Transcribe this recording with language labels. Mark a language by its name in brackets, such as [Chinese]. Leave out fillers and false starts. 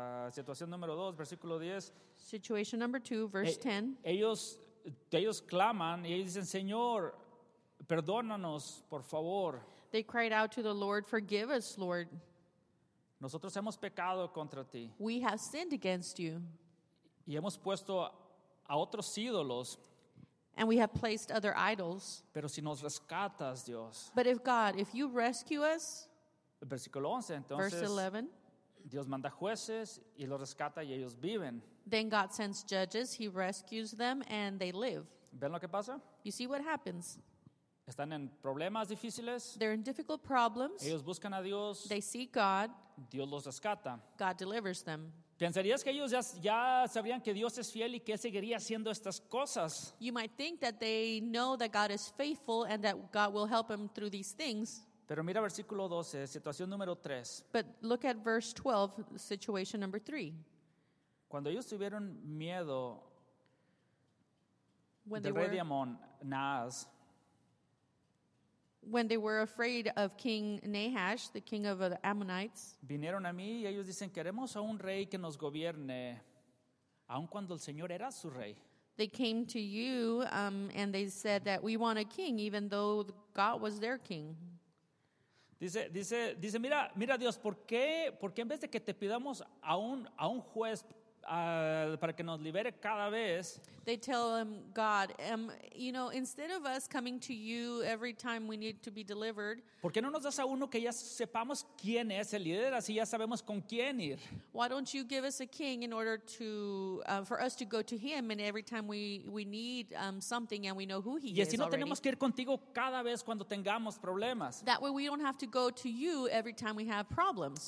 [Spanish] Situación número 2, versículo 10. [English] Situation number 2, verse 10. [Spanish] Ellos claman y ellos dicen, Señor, perdónanos, por favor. [English] They cried out to the Lord, forgive us, Lord. [Spanish] Nosotros hemos pecado contra ti. [English] We have sinned against you. [Spanish] Y hemos puesto a otros ídolos. [English] And we have placed other idols. [Spanish] Pero si nos rescatas, Dios. [English] But if God, if you rescue us, [Spanish] versículo 11, entonces, [English] verse 11, [Spanish] Dios manda jueces y los rescata y ellos viven. [English] Then God sends judges, he rescues them and they live. [Spanish] ¿Ven lo que pasa? [English] You see what happens? [Spanish] Están en problemas difíciles. [English] They're in difficult problems. [Spanish] Ellos buscan a Dios. [English] They seek God. [Spanish] Dios los rescata. [English] God delivers them. [Spanish] ¿Pensarías que ellos ya sabrían que Dios es fiel y que Él seguiría haciendo estas cosas? [English] You might think that they know that God is faithful and that God will help him through these things. [Spanish] Pero mira versículo 12, situación número 3. [English] But look at verse 12, situation number 3. [Spanish] Cuando ellos tuvieron miedo del rey de Amón, Nahash. [English] When they were afraid of King Nahash, the king of the Ammonites. [Spanish] Vinieron a mí y ellos dicen, queremos a un rey que nos gobierne, aun cuando el Señor era su rey. [English] They came to you and they said that we want a king, even though God was their king. [Spanish] Dice, mira Dios, ¿por qué en vez de que te pidamos a un juez, para que nos libere cada vez. [English] They tell him, God, you know, instead of us coming to you every time we need to be delivered, [Spanish] ¿por qué no nos das a uno que ya sepamos quién es el líder, así ya sabemos con quién ir? [English] Why don't you give us a king in order to for us to go to him, and every time we need something and we know who he is. [Spanish] Y así no tenemos que ir contigo cada vez cuando tengamos problemas. [English] That way we don't have to go to you every time we have problems.